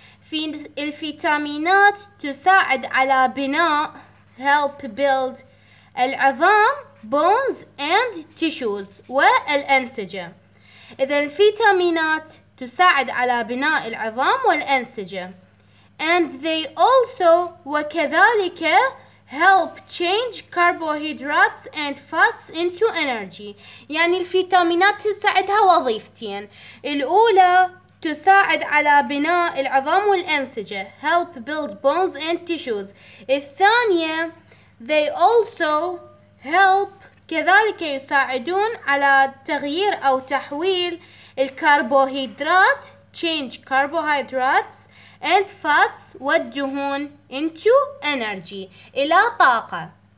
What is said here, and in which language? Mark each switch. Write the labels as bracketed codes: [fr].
[ar] في الفيتامينات تساعد على بناء [en] help build [ar] العظام [en] bones and tissues [ar] والأنسجة. إذا الفيتامينات تساعد على بناء العظام والأنسجة. [en] And they also [ar] وكذلك [en] help change carbohydrates and fats into energy. [ar] يعني الفيتامينات تساعدها وظيفتين. الأولى تساعد على بناء العظام والأنسجة. [en] Help build bones and tissues. [ar] الثانية [en] they also help [ar] كذلك يساعدون على تغيير أو تحويل الكربوهيدرات [en] change carbohydrates and fats [ar] والدهون [en] into energy [ar] إلى طاقة.